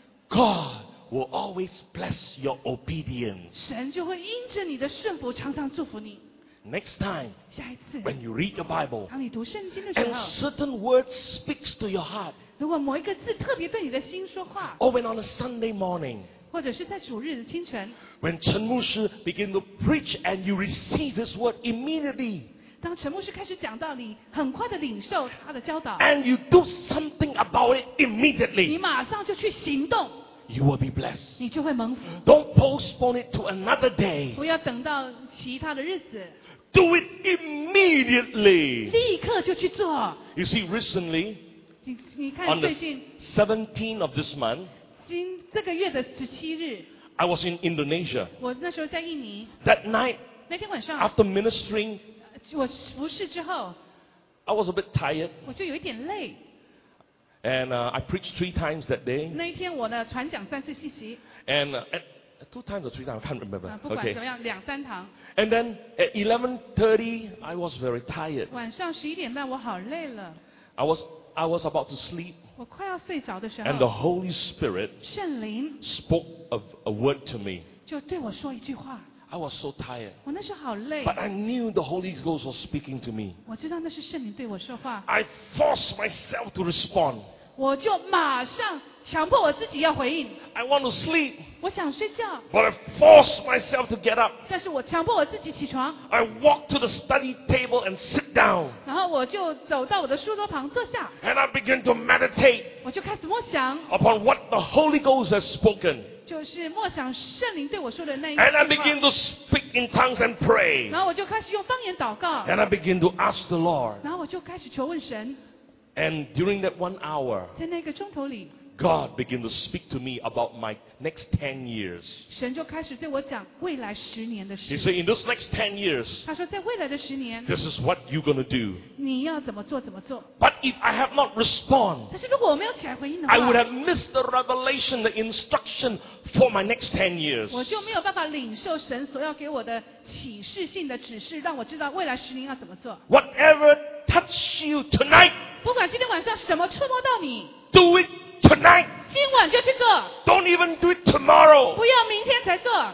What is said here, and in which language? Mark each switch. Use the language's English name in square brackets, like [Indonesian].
[English] God will always bless your obedience [Chinese] 神就会因着你的顺服常常祝福你 [English] Next time [Chinese] 下一次 [English] When you read your Bible [Chinese] 当你读圣经的时候 [English] And certain words speaks to your heart [Chinese] 如果某一个字特别对你的心说话 [English] Or when on a Sunday morning [Chinese] 或者是在主日的清晨 [English] When 陈牧师 begin to preach and you receive his word immediately [Chinese] 当陈牧师开始讲道你很快的领受他的教导 [English] And you do something about it immediately [Chinese] 你马上就去行动 [English] You will be blessed [Chinese] 你就会蒙福 [English] Don't postpone it to another day [Chinese] 不要等到其他的日子 [English] Do it immediately [Chinese] 立刻就去做 [English] You see recently On the 17th of this month, [Chinese] 这个月的十七日 [English] I was in Indonesia. [Chinese] 我那时候在印尼 [English] That night, [Chinese] 那天晚上 [English] after ministering, [Chinese] 我服侍之后 [English] I was a bit tired. [Chinese] 我就有一点累 [English] And I preached 3 times that day. [Chinese] 那一天我呢传讲三次信息 [English] And two times or three times, I can't remember. [Chinese] 不管怎么样，两三堂 [English] And then at 11:30, I was very tired. [Chinese] 晚上十一点半，我好累了 [English] I was about to sleep, and the Holy Spirit spoke a word to me. I was so tired, but I knew the Holy Ghost was speaking to me. I forced myself to respond. I want to sleep, but I forced myself to get up. I walked to the study table and sit down. And I began to meditate upon what the Holy Ghost has spoken. [Chinese] 就是默想圣灵对我说的那一句话 [English] And I begin to speak in tongues and pray [Chinese] 然后我就开始用方言祷告 [English] And I begin to ask the Lord [Chinese] 然后我就开始求问神 [English] And during that 1 hour [Chinese] 在那个钟头里 [English] God began to speak to me about my next 10 years [Chinese] 神就开始对我讲未来十年的事 [English] He said in those next 10 years [Chinese] 他说在未来的十年 [English] This is what you're going to do [Chinese] 你要怎么做怎么做 [English] But if I have not responded [Chinese] 但是如果我没有起来回应的话 [English] I would have missed the revelation, the instruction,For my next 10 years, [Chinese] 我就没有办法领受神所要给我的启示性的指示，让我知道未来十年要怎么做。 [English] Whatever touch you tonight, [Chinese] 不管今天晚上什么触摸到你 [English] ，Do it tonight, [Chinese] 今晚就去做。 [English] Don't even do it tomorrow, [Chinese] 不要明天才做。